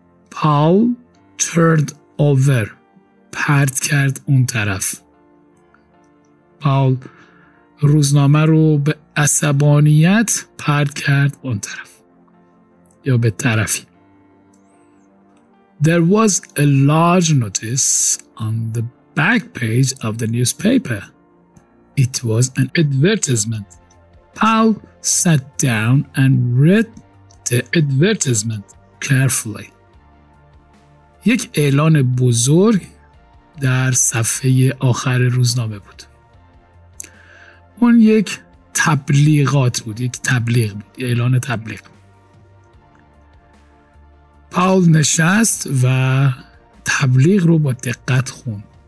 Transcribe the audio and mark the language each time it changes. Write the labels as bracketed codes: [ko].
[en] Paul turned over. [fa] پرت کرد اون طرف. Paul روزنامه رو به عصبانیت پرت کرد اون طرف. یا به طرفی. [en] There was a large notice on the back page of the newspaper. It was an advertisement. Paul sat down and read the advertisement carefully. [fa] یک اعلان بزرگ در صفحه آخر روزنامه بود. اون یک تبلیغات بود. یک تبلیغ بود. اعلان تبلیغ. پاول نشست و تبلیغ رو با دقت خون.